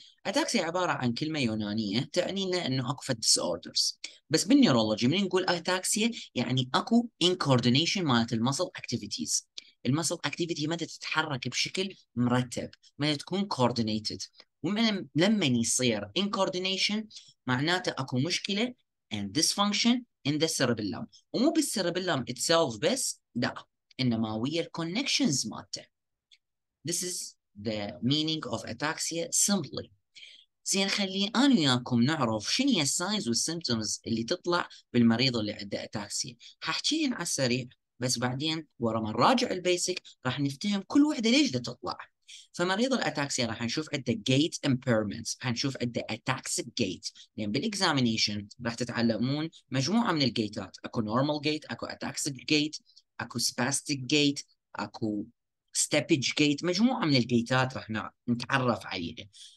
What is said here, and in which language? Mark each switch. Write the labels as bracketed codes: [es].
[ar] اتاكسيا عباره عن كلمه يونانيه تعني لنا انه اكو فد ديس اوردرز، بس بالنيورولوجي من نقول اتاكسيا يعني اكو انكوردينيشن مالت المسل اكتيفيتيز، المسل اكتيفيتي ما تتحرك بشكل مرتب، ما تكون كوردينيتد، ولما يصير انكوردينيشن معناته اكو مشكله [en] and dysfunction in the cerebellum, [ar] ومو بالسيربيلم اتسلف بس، لا انما ويا الكونكشنز مالته. [en] This is the meaning of ataxia simply. [ar] زين خلي انا وياكم نعرف شنو هي الساينز والسيمبتومز اللي تطلع بالمريض اللي عنده اتاكسيا. حاحكيهن على السريع بس بعدين ورا ما نراجع البيسك راح نفتهم كل وحده ليش ده تطلع. فمريض الاتاكسيا راح نشوف عنده جيت امبيرمنتس، راح نشوف عنده اتاكسيك جيت، لان بالاكزامينيشن راح تتعلمون مجموعه من الجيتات، اكو نورمال جيت، اكو اتاكسيك جيت، اكو سباستيك جيت، اكو ستيبج جيت، مجموعه من الجيتات راح نتعرف عليها.